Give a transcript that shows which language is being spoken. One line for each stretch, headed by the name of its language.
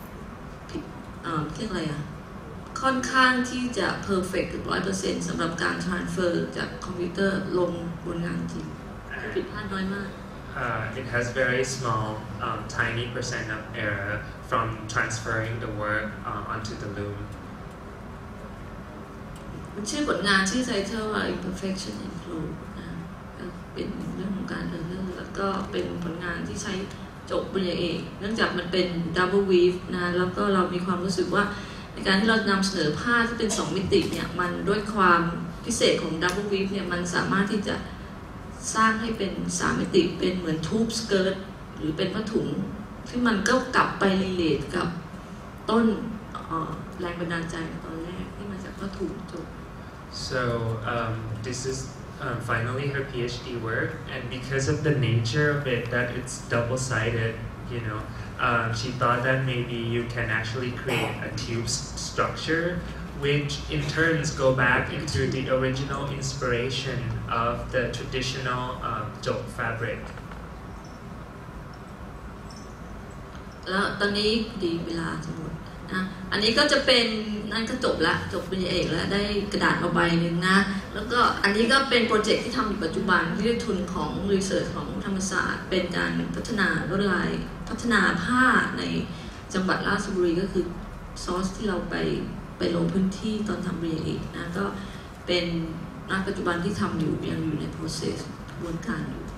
Thai: 99% เรียกอะไรอ่ะค่อนข้างที่จะ perfect 100% สำหรับการ transfer จากคอมพิวเตอร์ลงบนงานจริงผิดพลาดน้อยมาก
English: It has very small, tiny percent of error from transferring the work onto the loom.
Thai: ชื่อบทงานชื่อไทเทิลว่า Imperfection in Flow นะเป็นเรื่องของการเออร์เรอร์แล้วก็เป็นผลงานที่ใช้จบปริญญาเอกเนื่องจากมันเป็น double weave นะแล้วก็เรามีความรู้สึกว่าในการที่เรานำเสนอผ้าที่เป็น2มิติเนี่ยมันด้วยความพิเศษของ double weave เนี่ยมันสามารถที่จะ สร้างให้เป็นสามมิติเป็นเหมือนทูบสเกิร์ตหรือเป็นผ้าถุงที่มันก็กลับไปรีเลทกับต้นแรงบันดาลใจตอนแรกที่มาจากผ้าถุงจบ
English: so this is finally her PhD work and because of the nature of it that it's double sided you know she thought that maybe you can actually create a tube structureWhich in turn go back into the original inspiration of the traditional jok fabric.
Thai: ตอนนี้ดีเวลาสมมุตินะอันนี้ก็จะเป็นนั่นก็จบละจบปริญญาเอกแล้วได้กระดาษมาใบหนึ่งนะแล้วก็อันนี้ก็เป็นโปรเจกต์ที่ทำอยู่ปัจจุบันที่ได้ทุนของรีเสิร์ชของธรรมศาสตร์เป็นการพัฒนาลวดลายพัฒนาผ้าในจังหวัดราชบุรีก็คือซอสที่เราไปลงพื้นที่ตอนทำเรียนอีกนะก็เป็นณปัจจุบันที่ทำอยู่ยังอยู่ใน process วนการอยู